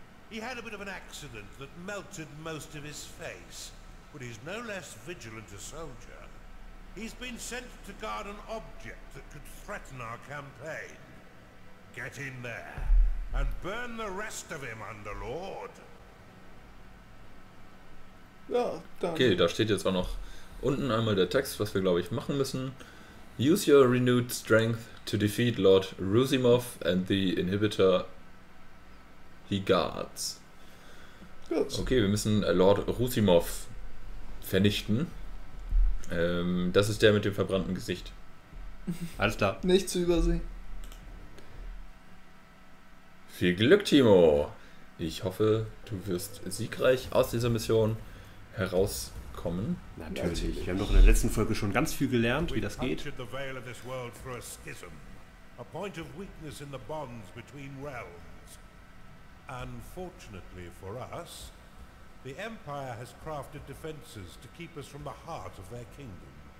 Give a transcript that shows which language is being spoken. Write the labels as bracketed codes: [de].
[en] He had a bit of an accident that melted most of his face, but he's no less vigilant a soldier. He's been sent to guard an object that could threaten our campaign. Get in there and burn the rest of him, Underlord. [de] Ja, okay, da steht jetzt auch noch unten einmal der Text, was wir, glaube ich, machen müssen. [en] Use your renewed strength to defeat Lord Rusimov and the inhibitor he guards. [de] Gut. Okay, wir müssen Lord Rusimov vernichten. Das ist der mit dem verbrannten Gesicht. Alles klar. Nicht zu übersehen. Viel Glück, Timo. Ich hoffe, du wirst siegreich aus dieser Mission heraus. Kommen. Natürlich. Wir haben doch in der letzten Folge schon ganz viel gelernt, wie das geht. [en] The veil of this world through a schism, a point of weakness in the bonds between realms. Unfortunately for us, the Empire has crafted defenses to keep us from the heart of their kingdom.